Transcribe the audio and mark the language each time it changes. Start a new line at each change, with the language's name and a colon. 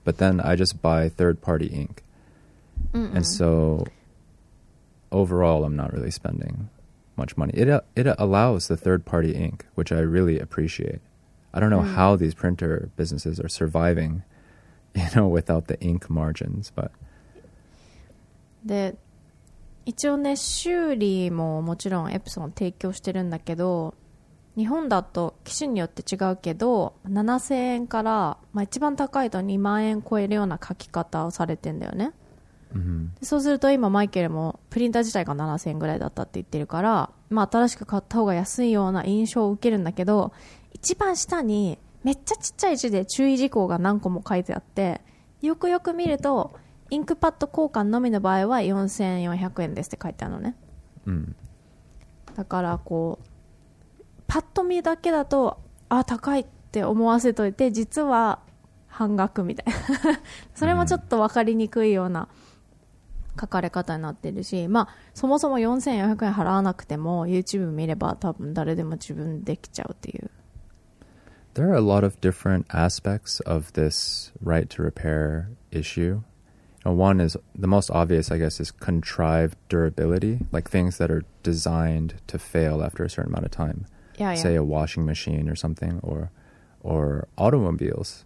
English: But then I just buy third party ink. And so overall, I'm not really spending. Much money. It allows the third party ink, which I really appreciate. I don't know how these printer businesses are surviving, you know, without the ink margins, but.
Japanese: で、一応ね、修理ももちろんエプソン提供してるんだけど、日本だと機種によって違うけど、7000円から、まあ、一番高いと2万円超えるような書き方をされてんだよね。そうすると今マイケルもプリンター自体が7000円ぐらいだったって言ってるから、まあ新しく買った方が安いような印象を受けるんだけど、一番下にめっちゃちっちゃい字で注意事項が何個も書いてあって、よくよく見るとインクパッド交換のみの場合は4400円ですって書いてあるのね。だからこうパッと見だけだと、あ、高いって思わせといて実は半額みたいなそれもちょっと分かりにくいような書かれ方になってるし、まあそもそも4400円払わなくても YouTube 見れば多分誰でも自分できちゃうっていう。
English: There are a lot of different aspects of this right to repair issue. One is the most obvious, I guess, is contrived durability, like things that are designed to fail after a certain amount of time. Say a washing machine or something, or automobiles.